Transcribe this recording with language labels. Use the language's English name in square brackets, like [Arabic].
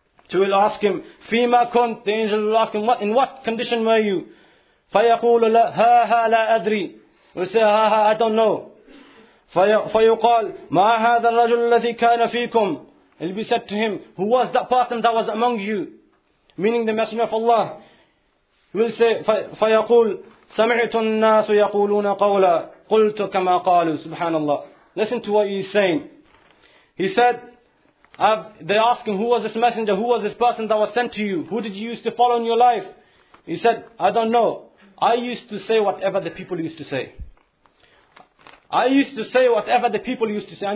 [English] So we'll ask him, [Arabic] Fima kunt, [English] the angel will ask him, in what condition were you? [Arabic] فَيَقُولُ هَا هَا لَا أَدْرِي. [English] We'll say, ha ha, I don't know. [Arabic] فَيُقَالْ مَا هَذَا الرَّجُلُ الَّذِي كَانَ فِيكُمْ. [English] It'll be said to him, who was that person that was among you? Meaning the Messenger of Allah. He will say, [Arabic] فَيَقُولْ سَمِعْتُ النَّاسُ يَقُولُونَ قَوْلًا قُلْتُ كَمَا قَالُوا. Subhanallah. [English] Listen to what he's saying. He said, they asked him, who was this messenger? Who was this person that was sent to you? Who did you used to follow in your life? He said, I don't know. I used to say whatever the people used to say. I used to say whatever the people used to say.